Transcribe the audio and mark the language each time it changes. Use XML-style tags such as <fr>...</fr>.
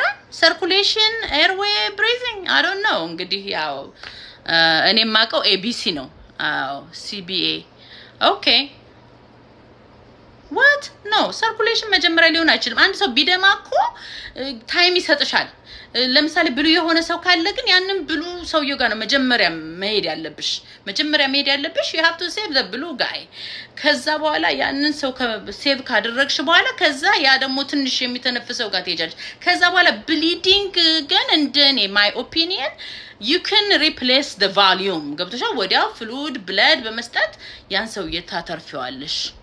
<en>circulation, airway, breathing. I don't know.</en> <am>እንግዲህ ያው እኔ ማቀው ABC ነው. አዎ, CBA.</am> <en>Okay. What?</en> <am>No, circulation መጀመሪያ ሊሆን አይችልም. አንድ ሰው ቢደማ እኮ ታይም ይሰጥሻል. ለምሳሌ ብሉ የሆነ ሰው ካለ ግን ያንን ብሉ ሰውየው ጋር ነው መጀመሪያ መሄድ ያለብሽ. መጀመሪያ መሄድ ያለብሽ</am> <en>you have to save the blue guy.</en> <am>ከዛ በኋላ ያንን ሰው ከሴቭ ካደረግሽ በኋላ ከዛ ያ ደግሞ ትንሽ የሚተነፍሰው ጋር ትሄጃለሽ. ከዛ በኋላ ብሊዲንግ ግን እንደኔ ማይ ኦፒኒየን</am> <en>you can replace the volume.</en> <am>ገብቶሻል? ወዲያው fluid blood በመስጠት ያን ሰው የታተርፊዋለሽ.</am>